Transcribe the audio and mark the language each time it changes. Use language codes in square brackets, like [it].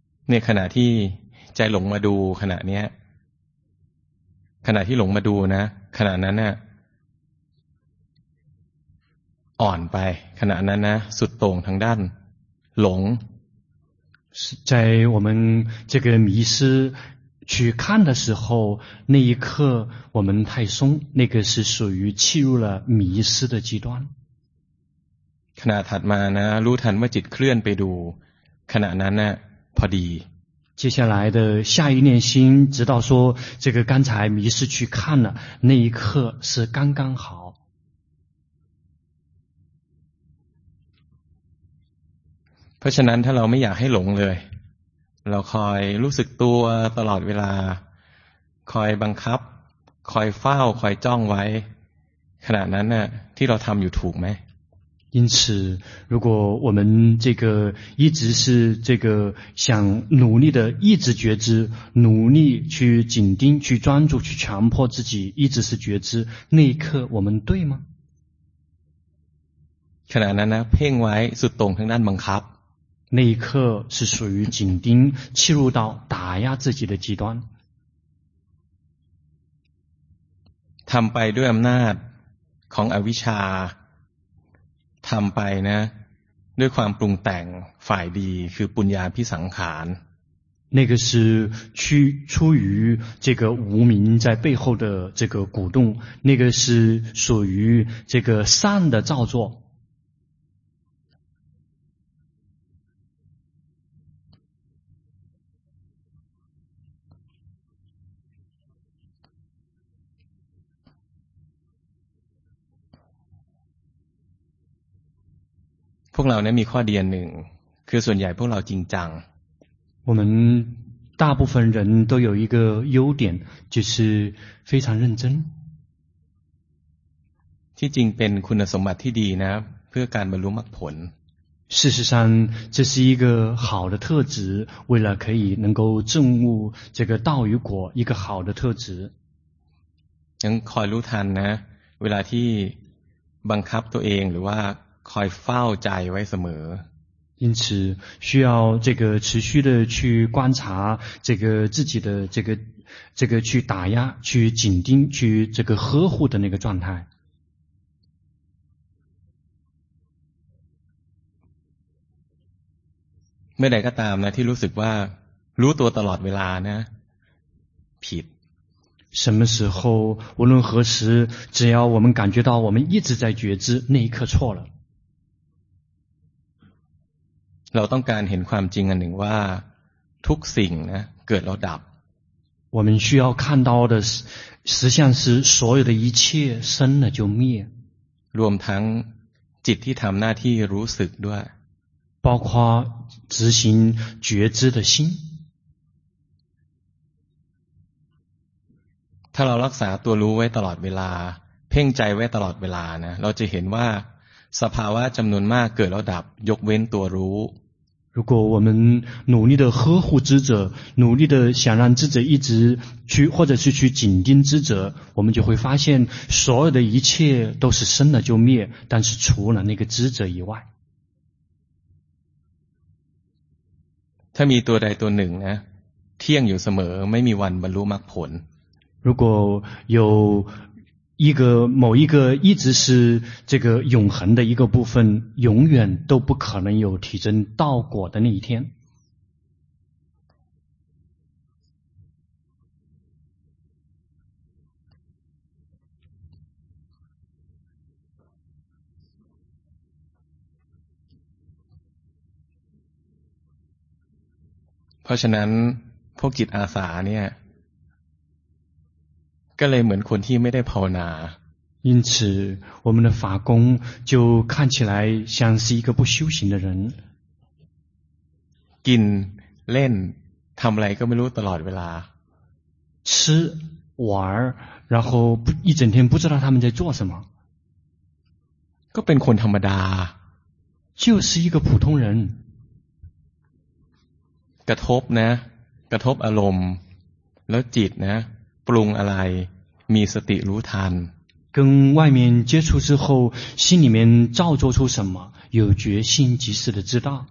[th] ในขณะที่ใจหลงมาดูขณะเนี้ยขณะที่หลงมาดูนะขณะนั้นเนี่ยอ่อนไปขณะนั้นนะสุดโต่งทางด้านหลง [zh] 在我们这个迷失去看的时候那一刻我们太松那个是属于契入了迷失的极端 [th] ขณะถัดมานะรู้ทันว่าจิตเคลื่อนไปดูขณะนั้นนะพอดี [zh] 接下来的下一念心直到说这个刚才迷失去看了那一刻是刚刚好 [th] เพราะฉะนั้นถ้าเราไม่อยากให้หลงเลยเราคอยรู้สึกตัวตลอดเวลาคอยบังคับคอยเฝ้าคอยจ้องไว้ขณะนั้นน่ะที่เราทำอยู่ถูกไหม [zh] 因此如果我们这个一直是这个想努力的一直觉知努力去紧盯去专注去强迫自己一直是觉知那一刻我们对吗 [th] ขณะนั้นนะเพ่งไว้สุดตรงทางด้านบังคับ [zh] 那一刻是属于紧盯切入到打压自己的极端 [th] ทำไปด้วยอำนาจของอวิชชาทำไปนะด้วยความปรุงแต่งฝ่ายดีคือปุญญาภิสังขาร [zh] 那个是出于这个无明在背后的这个鼓动那个是属于这个善的造作 [th] พวกเราเนี่ยมีข้อเดียนหนึ่งคือส่วนใหญ่พวกเราจริงจัง [zh] 我们大部分人都有一个优点就是非常认真 [th] ที่จริงเป็นคุณสมบัติที่ดีนะเพื่อการบรรลุมรรคผล [zh] 事实上这是一个好的特质为了可以能够证悟这个道与果一个好的特质 [th] ยังคอยรู้ทันนะเวลาที่บังคับตัวเองหรือว่าคอยเฝ้าใจไว้เสม [zh] อ因此需要这个持续的去观察这个自己的这个去打压去紧盯去这个呵护的那个状态 [th] เมื่อใดก็ตามนะที่รู้สึกว่ารู้ตัวตลอดเวลานะผิด [zh] 什么时候无论何时只要我们感觉到我们一直在觉知那一刻错了 [th] เราต้องการเห็นความจริงอันหนึ่งว่าทุกสิ่งนะเกิดแล้วดับ [zh] 我们需要看到的实相是所有的一切生了就灭 [th] รวมทั้งจิตที่ทำหน้าที่รู้สึกด้วย [zh] 包括执行觉知的心 [th] ถ้าเรารักษาตัวรู้ไว้ตลอดเวลาเพ่งใจไว้ตลอดเวลานะเราจะเห็นว่าสภาวะจำนวนมากเกิดแล้วดับยกเว้นตัวรู้ [zh] 如果我们努力的呵护知者努力的想让知者一直去或者是去紧盯知者我们就会发现所有的一切都是生了就灭但是除了那个知者以外 [th] ถ้ามีตัวใดตัวหนึ่งนะเที่ยงอยู่เสมอไม่มีวันบรรลุมรรคผล [zh] 如果有一个某一个一直是这个永恒的一个部分永远都不可能有体证道果的那一天 [th] เพราะฉะนั้นพวกจิตอาสาเนี่ยก็เลยเหมือนคนที่ไม่ได้ภาวนา [zh] 因此我们的法工就看起来像是一个不修行的人 [th] กินเล่นทำอะไรก็ไม่รู้ตลอดเวลา [zh] 吃玩然后一整天不知道他们在做什么 [th] ก็เป็นคนธรรมดา [zh] 就是一个普通人 [th] กระทบนะกระทบอารมณ์แล้วจิตนะปรุงอะไรมีสติรู้ทัน [zh] 跟外面接触之后心里面造作出什么有决心及时的知道